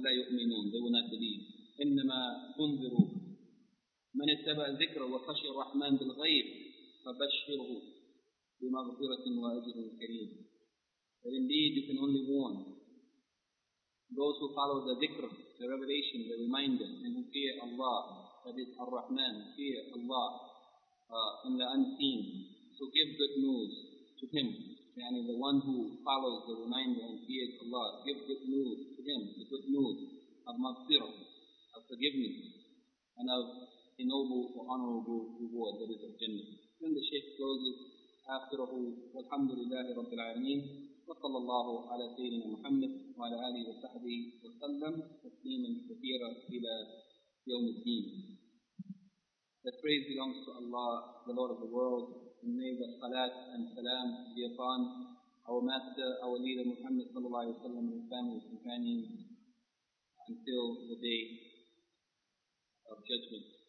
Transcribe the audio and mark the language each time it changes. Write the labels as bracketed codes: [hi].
[ar] لَا يُؤْمِنُونَ [en] They will not believe. [ar] إِنَّمَا تُنذِرُوا مَنِ اتَّبَأَ الذِّكْرَ وَخَشِيَ الرَّحْمَنَ بِالْغَيْبِ فَبَشِّرْهُ بِمَغْفِرَةٍ وَأَجْرٍ كَرِيمٍ [en] But indeed you can only warn those who follow the dhikr, the revelation, the reminder, and who fear Allah, that is Ar-Rahman, fear Allah in the unseen. So give good news to him, yani the one who follows the reminder and fears Allah. Give good news to him, the good news of maghfirah, of forgiveness, and of a noble or honorable reward, that is of Jannah. Then the Shaykh closes, [ar] أَخْرَهُ وَالْحَمْدُ لِلَّهِ رَبِّ الْعَالَمِينَ صلى الله على سيدنا محمد وعلى آله وصحبه وسلم تسليما كثيرا إلى يوم الدين. [en] The praise belongs to Allah, the Lord of the world, and may the salat and salam be upon our master, our leader Muhammad [ar] صلى الله عليه وسلم [en] and his family and companions until the day of judgment.